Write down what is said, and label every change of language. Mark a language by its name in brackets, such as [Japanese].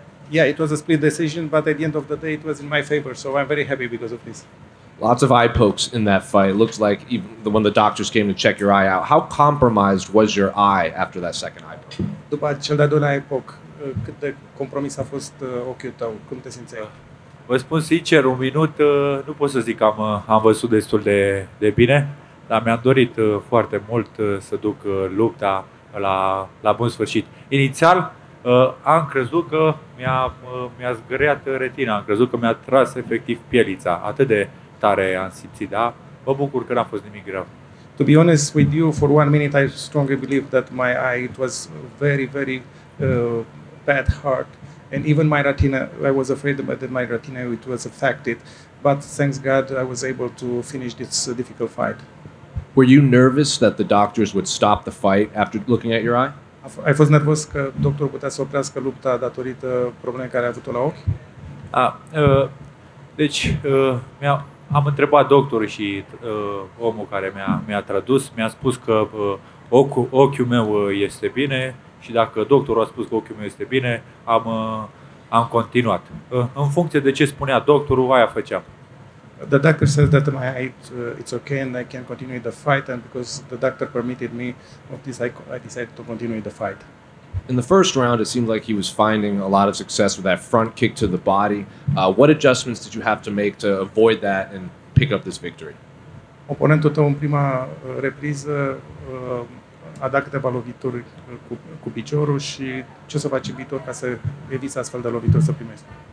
[English] Yeah, it was a split decision, but at the end of the day it was in my favor, so I'm very happy because of this. Lots of eye pokes in that fight. It looks like even when the doctors came to check your eye out. How compromised was your eye after that second eye poke? [Romanian] După cel de-al doilea eye poke, cât de compromis a fost ochiul tău? Cum te simțeai? Vă spun sincer, un minut, nu pot să zic că am văzut destul de bine, dar mi-am dorit foarte mult să duc lupta la bun sfârșit. Inițial, am crezut că mi-a zgâriat retina, am crezut că mi-a tras efectiv pielița, atât de tare am simțit, da? Mă bucur că n-a fost nimic greu. [English] To be honest with you, for one minute I strongly believe that my eye, it was very, very bad heart. And even my retina, I was afraid that my retina, it was affected. But thanks God, I was able to finish this difficult fight. Were you nervous that the doctors would stop the fight after looking at your eye? [Romanian] I fost nervos că doctorul putea să oprească lupta datorită problemei care a avut-o la ochi. Am întrebat doctorul și omul care mi-a tradus, mi-a spus că ochiul meu este bine și dacă doctorul a spus că ochiul meu este bine, am continuat. În funcție de ce spunea doctorul, aia făceam. [English] The doctor says that my eye it's okay and I can continue the fight, and because the doctor permitted me of this, I decided to continue the fight. In the first round, it seemed like he was finding a lot of success with that front kick to the body. What adjustments did you have to make to avoid that and pick up this victory? [Romanian] Oponentul tău în prima repriză a dat câteva lovituri cu piciorul și ce o să faci în viitor ca să eviți astfel de lovituri să primești?